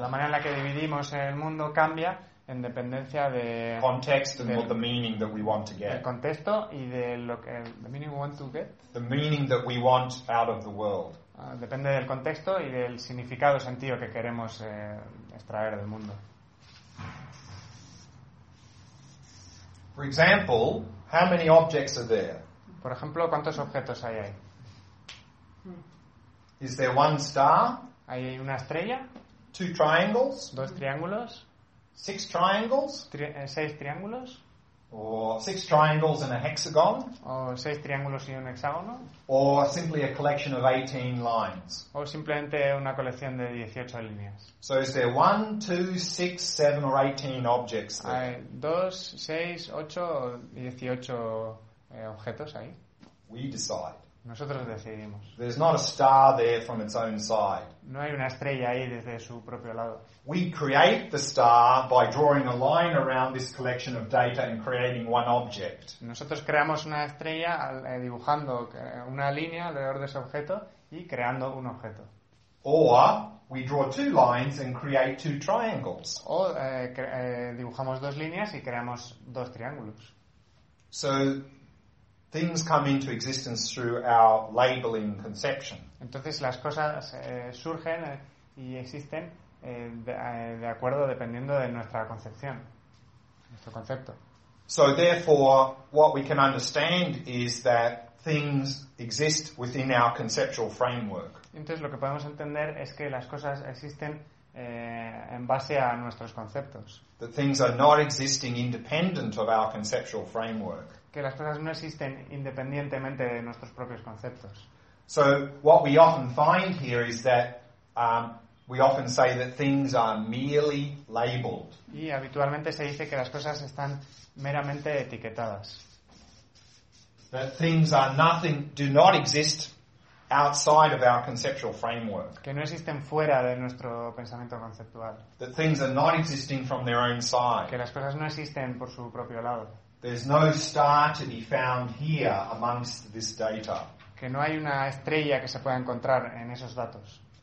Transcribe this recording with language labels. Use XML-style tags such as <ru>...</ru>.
<es>La manera en la que dividimos el mundo cambia en dependencia de</es> <en>context and what the meaning that we want to get.</en> <es>El contexto y de lo que</es> <en>the meaning we want to get. The meaning that we want out of the world.</en> <es>Depende del contexto y del significado, sentido que queremos extraer del mundo.</es> <en>For example, how many objects are there?</en> <es>Por ejemplo, ¿cuántos objetos hay ahí?</es> <en>Is there one star?</en> <es>¿Hay una estrella?</es> <en>Two triangles?</en> <es>¿Dos triángulos?</es> <en>Six triangles?</en> <es>¿Seis triángulos?</es> <en>Or six triangles and a hexagon?</en> <es>¿O seis triángulos y un hexágono?</es> <en>Or simply a collection of 18 lines?</en> <es>¿O simplemente una colección de 18 líneas?</es> <en>So is there 1, 2, 6, 7 or 18 objects there?</en> <es>¿Hay 2, 6, 8 o 18 objetos ahí?</es> <en>We decide.</en> <es>Nosotros decidimos.</es> <en>There's not a star there from its own side.</en> <es>No hay una estrella ahí desde su propio lado.</es> <en>We create the star by drawing a line around this collection of data and creating one object.</en> <es>Nosotros creamos una estrella dibujando una línea alrededor de ese objeto y creando un objeto.</es> <en>Or we draw two lines and create two triangles.</en> <es>O dibujamos dos líneas y creamos dos triángulos.</es> <en>So things come into existence through our labeling conception.</en> <es>Entonces las cosas surgen y existen de acuerdo, dependiendo de nuestra concepción, nuestro concepto.</es> <en>So therefore, what we can understand is that things exist within our conceptual framework.</en> <es>Entonces lo que podemos entender es que las cosas existen en base a nuestros conceptos.</es> <en>That things are not existing independent of our conceptual framework.</en> <es>Que las cosas no existen independientemente de nuestros propios conceptos.</es> <en>So what we often find here is that we often say that things are merely labeled.</en> <es>Y habitualmente se dice que las cosas están meramente etiquetadas.</es> <en>That things are nothing, do not exist outside of our conceptual framework.</en> <es>Que no existen fuera de nuestro pensamiento conceptual.</es> <en>That things are not existing from their own side.</en> <es>Que las cosas no existen por su propio lado.</es> <en>There's no star to be found here amongst this data.</en> <es>Que no hay una estrella que se pueda encontrar en esos datos.</es>